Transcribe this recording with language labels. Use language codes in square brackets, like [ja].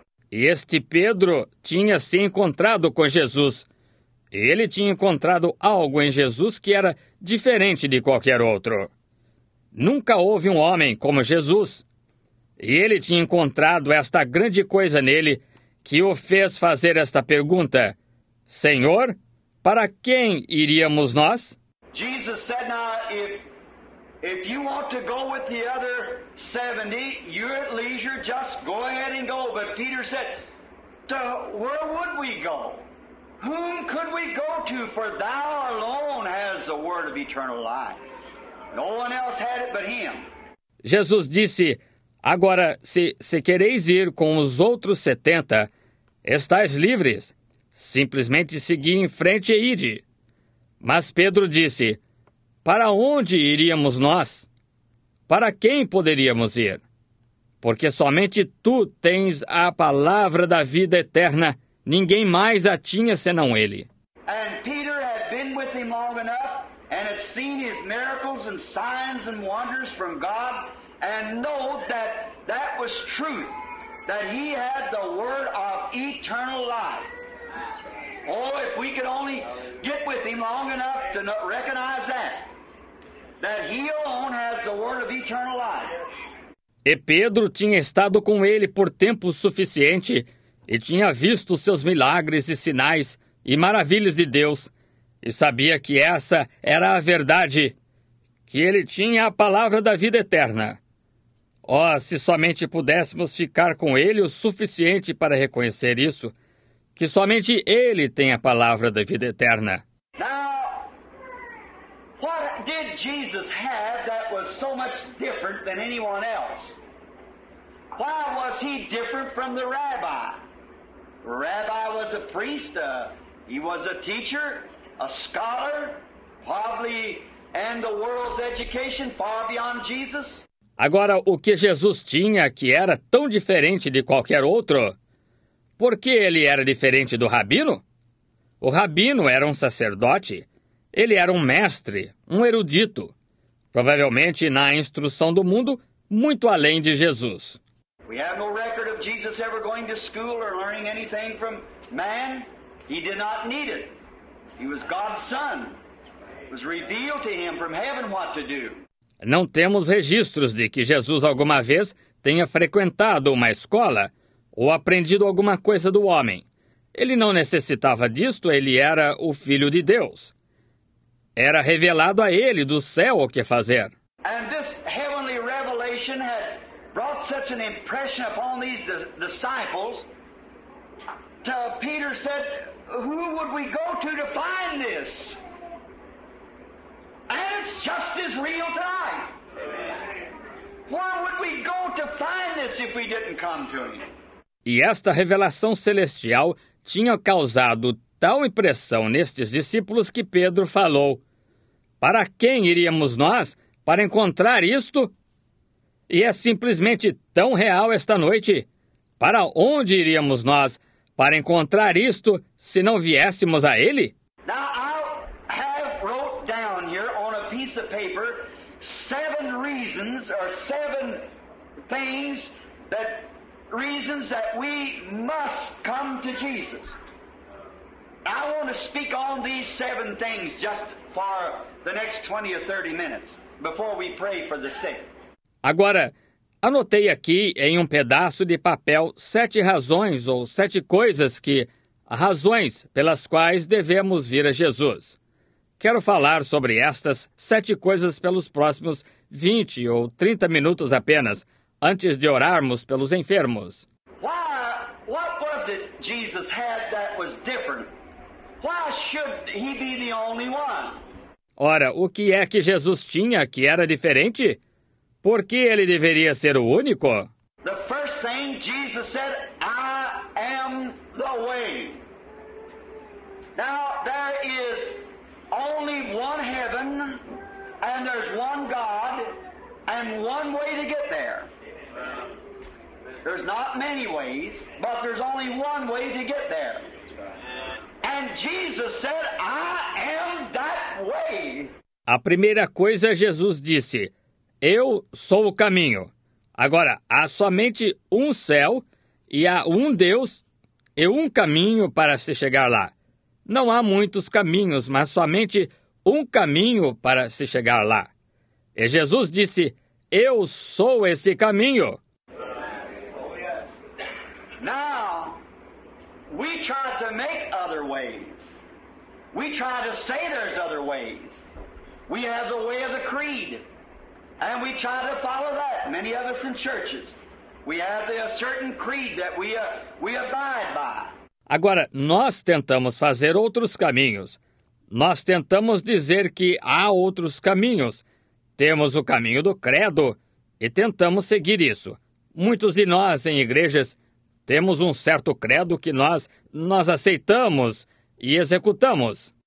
[pt] E este Pedro tinha se encontrado com Jesus. Ele tinha encontrado algo em Jesus que era diferente de qualquer outro. Nunca houve um homem como Jesus. E ele tinha encontrado esta grande coisa nele que o fez fazer esta pergunta. Senhor, para quem iríamos nós? Jesus disse, [en] If you want to go with the other 70, you're at leisure, just go ahead and go. But Peter said, where would we go? Whom could we go to? For thou alone has the word of eternal life. No one else had it but him. [pt] Jesus disse, agora, se quereis ir com os outros 70, estais livres. Simplesmente segui em frente e ide. Mas Pedro disse, para onde iríamos nós? Para quem poderíamos ir? Porque somente tu tens a palavra da vida eterna. Ninguém mais a tinha senão ele. [en] And Peter had been with him long enough and had seen his miracles and signs and wonders from God and know that that was truth, that he had the word of eternal life. Oh, if we could only get with him long enough to recognize that. that he alone has the word of eternal life. [pt] E Pedro tinha estado com ele por tempo suficiente e tinha visto seus milagres e sinais e maravilhas de Deus e sabia que essa era a verdade, que ele tinha a palavra da vida eterna. Oh, se somente pudéssemos ficar com ele o suficiente para reconhecer isso, que somente ele tem a palavra da vida eterna. [en] What did Jesus have that was so much different than anyone else? Why was he different from the rabbi? The rabbi was a priest, he was a teacher, a scholar, probably, and the world's education far beyond Jesus. [pt] Agora, o que Jesus tinha que era tão diferente de qualquer outro? Por que ele era diferente do rabino? O rabino era um sacerdote. Ele era um mestre, um erudito, provavelmente na instrução do mundo, muito além de Jesus. [en] We have no record of Jesus ever going to school or learning anything from man. He did not need it. He was God's son. It was revealed to him from heaven what to do. [pt] Não temos registros de que Jesus alguma vez tenha frequentado uma escola ou aprendido alguma coisa do homem. Ele não necessitava disto, ele era o Filho de Deus. Era revelado a ele do céu o que fazer. [en] And this heavenly revelation had brought such an impression upon these disciples. Peter said, who would we go to find this? And it's just as real tonight. Where would we go to find this if we didn't come to him? [pt] E esta revelação celestial tinha causado tal impressão nestes discípulos que Pedro falou: para quem iríamos nós para encontrar isto? E é simplesmente tão real esta noite. Para onde iríamos nós para encontrar isto se não viéssemos a ele? [en] Now I have wrote down here on a piece of paper seven reasons or seven things that reasons that we must come to Jesus. I want to speak on these seven things just for the next 20 or 30 minutes before we pray for the sick. [pt] Agora, anotei aqui em um pedaço de papel sete razões ou sete coisas que... razões pelas quais devemos vir a Jesus. Quero falar sobre estas sete coisas pelos próximos 20 ou 30 minutos apenas, antes de orarmos pelos enfermos. [en] What was it Jesus had that was different? Why should he be the only one? [pt] Ora, o que é que Jesus tinha que era diferente? Por que ele deveria ser o único? [en] The first thing Jesus said, I am the way. Now, there is only one heaven, and there's one God, and one way to get there. There's not many ways, but there's only one way to get there. And Jesus said, I am that way. [pt] A primeira coisa Jesus disse, eu sou o caminho. Agora, há somente um céu e há um Deus e um caminho para se chegar lá. Não há muitos caminhos, mas somente um caminho para se chegar lá. E Jesus disse, eu sou esse caminho. [en] We try to make other ways. We try to say there's other ways. We have the way of the creed. And we try to follow that, many of us in churches. We have a certain creed that we abide by. [pt] Agora, nós tentamos fazer outros caminhos. Nós tentamos dizer que há outros caminhos. Temos o caminho do credo e tentamos seguir isso. Muitos de nós em igrejas temos um certo credo que nós aceitamos e executamos.